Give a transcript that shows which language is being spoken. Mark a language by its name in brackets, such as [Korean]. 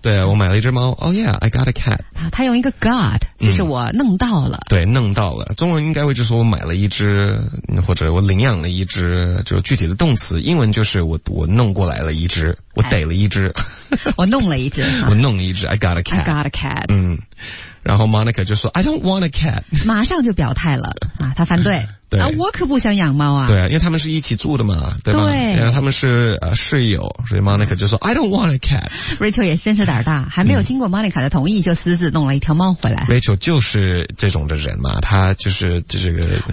[Chinese] 对，我买了一只猫。 [English] Oh yeah, I got a cat。 [Chinese] 啊，他用一个 got， 就是我弄到了、嗯。对，弄到了。中文应该会就说我买了一只，或者我领养了一只，就具体的动词。英文就是我弄过来了一只，我逮了一只，我弄了一只，我弄了一只。 [English] I got a cat。 I got a cat。 [Chinese] 嗯。然后 Monica 就说 [English] I don't want a cat， [Chinese] 马上就表态了啊，他反对，对啊，我可不想养猫啊，对，因为他们是一起住的嘛，对吧，对，因为他们是室友，所以 Monica 就说 [English] I don't want a cat。 [Chinese] Rachel 也真是胆大，还没有经过 Monica 的同意、嗯、就私自弄了一条猫回来。 Rachel 就是这种的人嘛，他就是这个